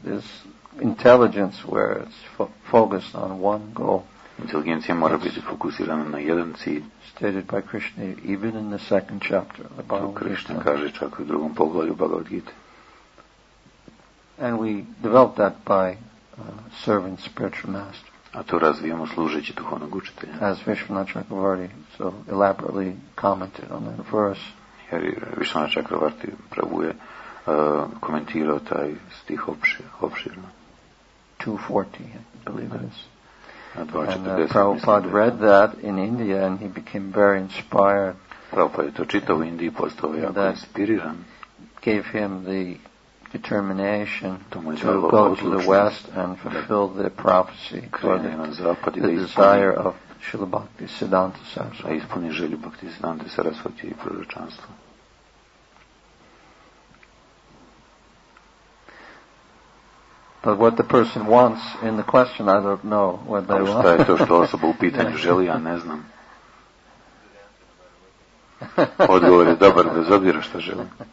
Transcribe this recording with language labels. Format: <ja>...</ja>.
<en>This intelligence where it's focused on one goal.</en> <hr>Inteligencija mora biti fokusirana na jedan cilj.</hr> <en>Stated by Krishna even in the second chapter of the Bhagavad Gita.</en> <hr>Krishna kaže čak u drugom poglavlju Bhagavad Gita.</hr> <en>And we developed that by serving spiritual master.</en> <hr>A to razvijamo služeći duhovnog učitelja.</hr> <en>As Vishwanatha Chakravarti so elaborately commented on that verse.</en> <hr>Jer Vishwanatha Chakravarti Prabhu je komentirao taj stih opširno.</hr> <en>2:40, I believe it is. And Prabhupada read that in India and he became very inspired.</en> <hr>Prabhupada je to čitao u Indiji i postao jako inspiriran.</hr> <en>Gave him the determination to go odlučnost. To the West and fulfill the prophecy the desire of Srila Bhakti Siddhanta Saraswati.</en> <hr>A ispuni želju Bhakti Siddhanta Saraswati i proročanstvo.</hr> <en>But what the person wants in the question, I don't know what they want.</en> <hr>Šta je to što osoba u pitanju želi, ja ne znam. Odgovor je dobar, bez obzira šta želi.</hr>